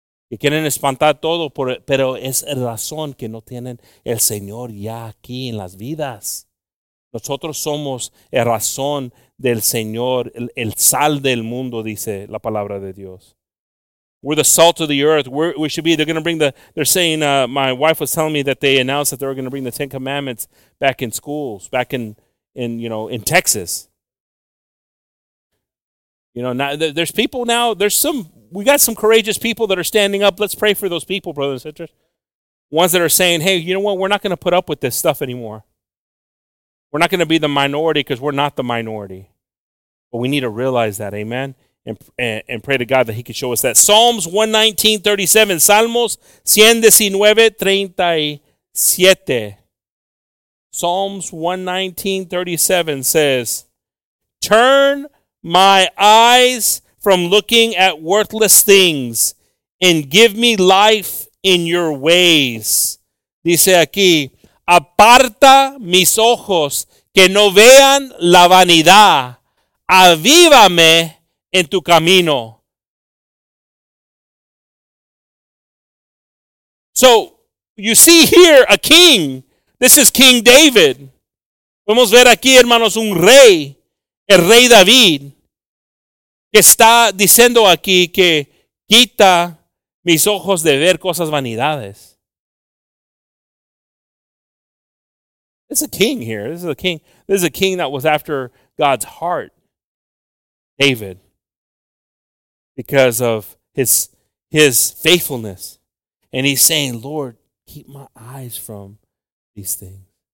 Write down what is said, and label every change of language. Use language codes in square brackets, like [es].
[es] Que quieren espantar todo, pero es razón que no tienen el Señor ya aquí en las vidas. Nosotros somos la razón del Señor, el sal del mundo, dice la palabra de Dios. [en] We're the salt of the earth. We should be. They're going to bring they're saying, my wife was telling me that they announced that they were going to bring the Ten Commandments back in schools, back in Texas. You know, now there's people now, we got some courageous people that are standing up. Let's pray for those people, brothers and sisters. Ones that are saying, hey, you know what? We're not going to put up with this stuff anymore. We're not going to be the minority because we're not the minority. But we need to realize that, amen? And pray to God that he could show us that. Psalms 119:37, Salmos 119:37. Psalms 119:37 says, turn my eyes from looking at worthless things and give me life in your ways. [es] Dice aquí, aparta mis ojos que no vean la vanidad. Avívame en tu camino. [en] So, you see here a king. This is King David. [es] Podemos ver aquí, hermanos, un rey. El rey David. Que está diciendo aquí que quita mis ojos de ver cosas vanidades. [en] It's a king here. This is a king. This is a king that was after God's heart. David. Because of his faithfulness. And he's saying, Lord, keep my eyes from these things.